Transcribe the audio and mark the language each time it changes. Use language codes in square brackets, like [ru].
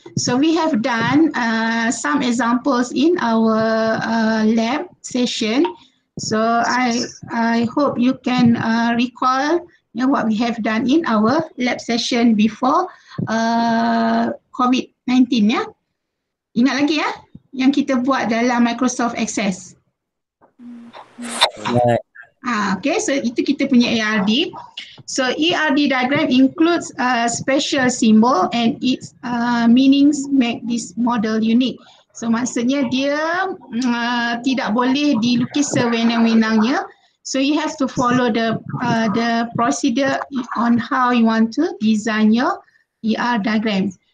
[en] So we have done some examples in our lab session. So I hope you can recall what we have done in our lab session before COVID-19 ya. [ms] Ingat lagi ya yang kita buat dalam Microsoft Access. [en] Right. [ms] Okay, so itu kita punya ERD. [en] So ERD diagram includes a special symbol and its meanings make this model unique. [ms] So maksudnya dia tidak boleh dilukis sewenang-wenangnya. [en] So you have to follow the the procedure on how you want to design your ERD diagram.